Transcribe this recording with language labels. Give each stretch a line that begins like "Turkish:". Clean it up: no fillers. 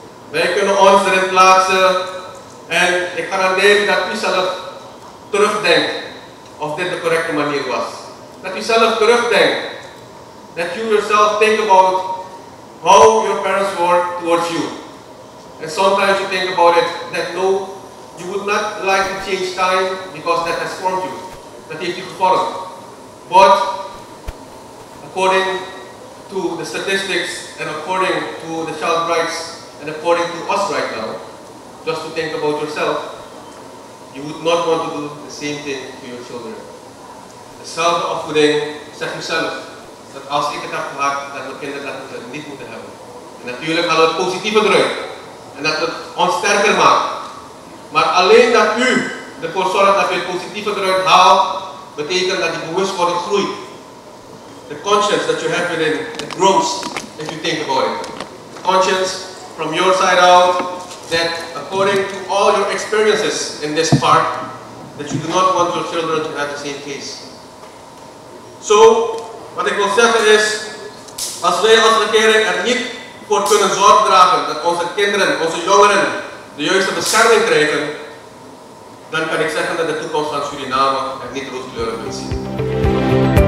Dutch: Wij kunnen ons erin plaatsen en ik garandeer dat u zelf terugdenkt of dit de correcte manier was. Dat u zelf terugdenkt. Dat u
English: yourself think about how your parents were towards you. And sometimes you think about it that no, you would not like to change time because that has formed you.
Dutch: Dat heeft u gevormd.
English: But according to the statistics and according to the child rights and according to us right now, just to think about yourself, you would not want to do the same thing to your children.
Dutch: Dezelfde opvoeding zeg jezelf dat als ik het heb gehad, dat mijn kinderen dat het niet moeten hebben. En natuurlijk hadden we het positieve druk en dat het ons sterker maakt. Maar alleen dat u ervoor zorgt dat u het positieve druk haalt, betekent dat die bewustwording groeit.
English: The conscience that you have within it grows if you think about it. The conscience from your side out that according to all your experiences in this part, that you do not want your children to have the same case.
Dutch: So, wat ik wil zeggen is, als wij als regering er niet voor kunnen zorg dragen dat onze kinderen, onze jongeren, de juiste bescherming krijgen, dan kan ik zeggen dat de toekomst van Suriname er niet rooskleurig is.